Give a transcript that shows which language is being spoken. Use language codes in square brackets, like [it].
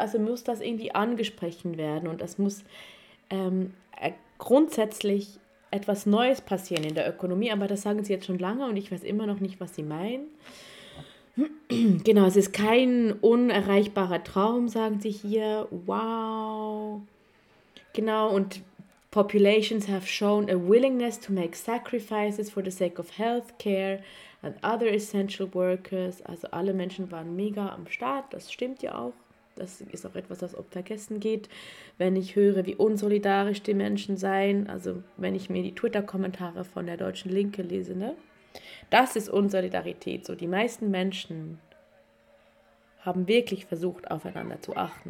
[de] Also muss das irgendwie angesprochen werden und das muss grundsätzlich etwas Neues passieren in der Ökonomie, aber das sagen sie jetzt schon lange und ich weiß immer noch nicht, was sie meinen. Genau, es ist kein unerreichbarer Traum, sagen sie hier. Wow. Genau, und [en] populations have shown a willingness to make sacrifices for the sake of healthcare and other essential workers. [de] Also alle Menschen waren mega am Start, das stimmt ja auch. Das ist auch etwas, das oft vergessen geht, wenn ich höre, wie unsolidarisch die Menschen seien. Also wenn ich mir die Twitter-Kommentare von der deutschen Linke lese, ne? Das ist Unsolidarität. So, die meisten Menschen haben wirklich versucht, aufeinander zu achten.